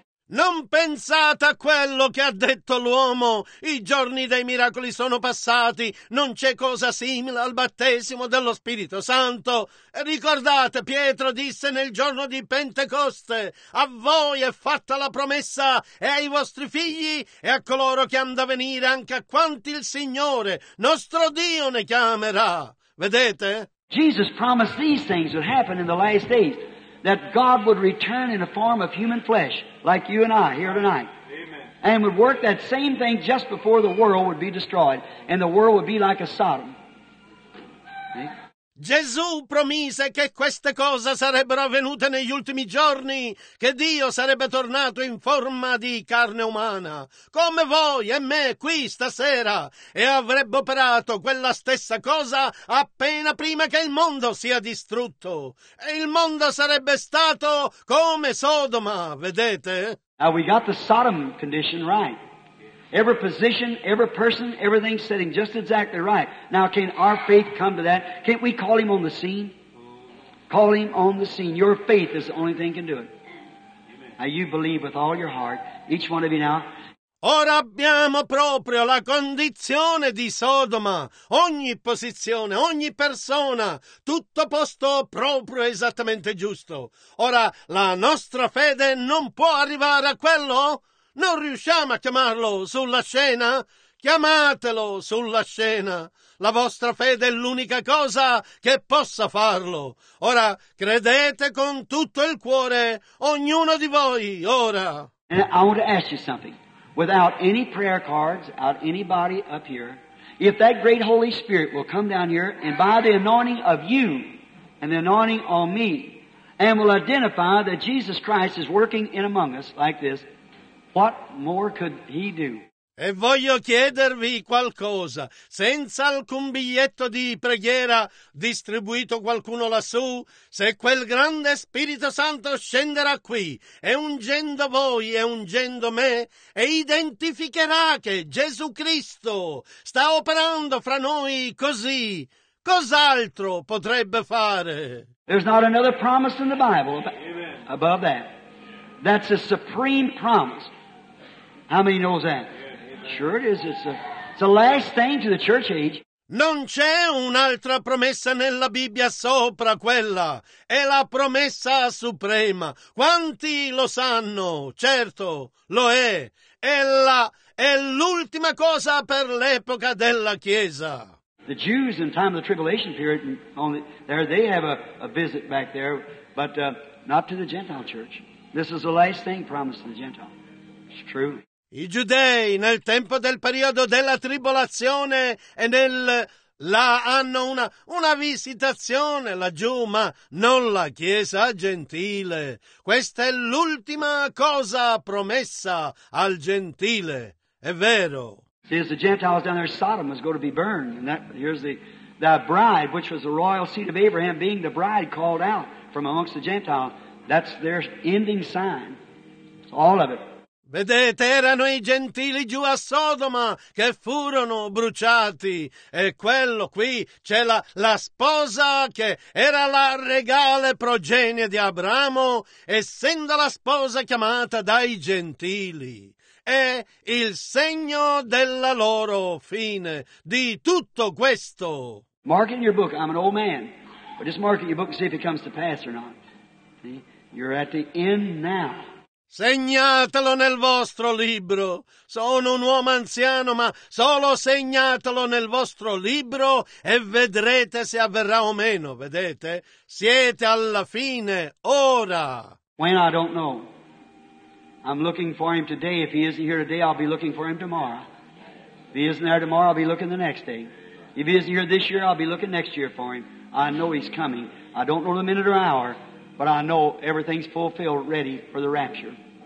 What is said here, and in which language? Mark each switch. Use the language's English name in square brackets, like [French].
[Italian] Non pensate a quello che ha detto l'uomo. I giorni dei miracoli sono passati. Non c'è cosa simile al battesimo dello Spirito Santo. E ricordate, Pietro disse nel giorno di Pentecoste, a voi è fatta la promessa e ai vostri figli e a coloro che hanno da venire, anche a quanti il Signore, nostro Dio, ne chiamerà. Vedete? [English] Jesus promised these things would happen in the last days. That God would return in a form of human flesh, like you and I here tonight. Amen. And would work that same thing just before the world would be destroyed, and the world would be like a Sodom. [Italian] Gesù promise che queste cose sarebbero avvenute negli ultimi giorni, che Dio sarebbe tornato in forma di carne umana, come voi e me qui stasera, e avrebbe operato quella stessa cosa appena prima che il mondo sia distrutto. E il mondo sarebbe stato come Sodoma, vedete? [English] Now we got the Sodom condition right. Every position, every person, everything's sitting just exactly right. Now, can our faith come to that? Can't we call him on the scene? Call him on the scene. Your faith is the only thing that can do it. Now, you believe with all your heart, each one of you now. [Italian] Ora abbiamo proprio la condizione di Sodoma. Ogni posizione, ogni persona, tutto posto proprio esattamente giusto. Ora, la nostra fede non può arrivare a quello? Non riusciamo a chiamarlo sulla scena? Chiamatelo sulla scena. La vostra fede è l'unica cosa che possa farlo. Ora, credete con tutto il cuore, ognuno di voi, ora. [English] And I want to ask you something. Without any prayer cards, without anybody up here, if that great Holy Spirit will come down here and by the anointing of you and the anointing on me and will identify that Jesus Christ is working in among us like this, what more could he do? [Italian] E voglio chiedervi qualcosa. Senza alcun biglietto di preghiera distribuito qualcuno lassù, se quel grande Spirito Santo scenderà qui e ungendo voi e ungendo me e identificherà che Gesù Cristo sta operando fra noi così, cos'altro potrebbe fare? [English] There's not another promise in the Bible above that. That's a supreme promise. How many knows that? Sure it is. It's the last thing to the church age. [Italian] Non c'è un'altra promessa nella Bibbia sopra quella. È la promessa suprema. Quanti lo sanno? Certo, lo è. È l'ultima cosa per l'epoca della Chiesa. [English] The Jews in time of the tribulation period, they have a visit back there, but not to the Gentile church. This is the last thing promised to the Gentile. It's true. [Italian] I giudei nel tempo del periodo della tribolazione e nel là hanno una visitazione laggiù, ma non la Chiesa gentile. Questa è l'ultima cosa promessa al gentile. È vero. [English] See, as the Gentiles down there, Sodom is going to be burned, and that here's the bride, which was the royal seed of Abraham, being the bride called out from amongst the Gentiles. That's their ending sign. It's all of it. [Italian] Vedete, erano i gentili giù a Sodoma che furono bruciati, e quello qui c'è la sposa che era la regale progenie di Abramo, essendo la sposa chiamata dai gentili. È il segno della loro fine, di tutto questo. [English] Mark in your book, I'm an old man, but just mark in your book and see if it comes to pass or not. See? You're at the end now. [Italian] Segnatelo nel vostro libro. Sono un uomo anziano, ma solo segnatelo nel vostro libro e vedrete se avverrà o meno, vedete? Siete alla fine, ora. [English] When, I don't know. I'm looking for him today. If he isn't here today, I'll be looking for him tomorrow. If he isn't there tomorrow, I'll be looking the next day. If he isn't here this year, I'll be looking next year for him. I know he's coming. I don't know the minute or hour, but I know everything's fulfilled, ready for the rapture.